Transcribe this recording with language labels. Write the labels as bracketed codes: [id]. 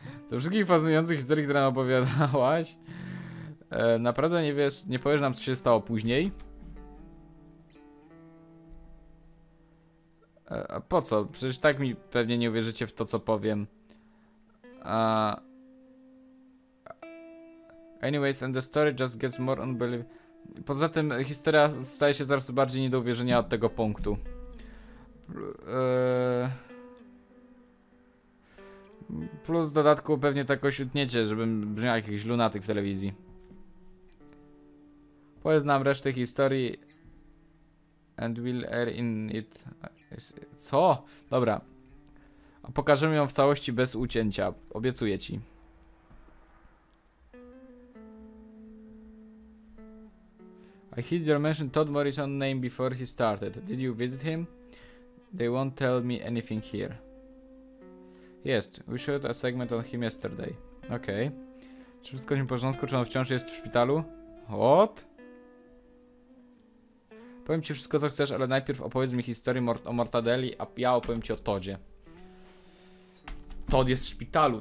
[pl] To wszystkich fascynujących historii, które nam opowiadałaś. Naprawdę nie wiesz, nie powiesz nam, co się stało później? A po co? Przecież tak mi pewnie nie uwierzycie w to, co powiem. [en] Anyways, and the story just gets more unbelievable. [pl] Poza tym historia staje się coraz bardziej nie do uwierzenia od tego punktu. Plus w dodatku pewnie to jakoś utniecie, żebym brzmiał jak jakiś lunatyk w telewizji. Powiedz nam resztę historii. [en] And we'll air in it. [pl] Co? Dobra. A pokażemy ją w całości bez ucięcia. Obiecuję ci. [en] I heard you mentioned Todd Morrison's name before he started. Did you visit him? They won't tell me anything here. Yes, we showed a segment on him yesterday. Okej. Okay. [pl] Czy wszystko jest w porządku? Czy on wciąż jest w szpitalu? What? Powiem ci wszystko, co chcesz, ale najpierw opowiedz mi historię o mortadeli, a ja opowiem ci o Todzie. Todd jest w szpitalu.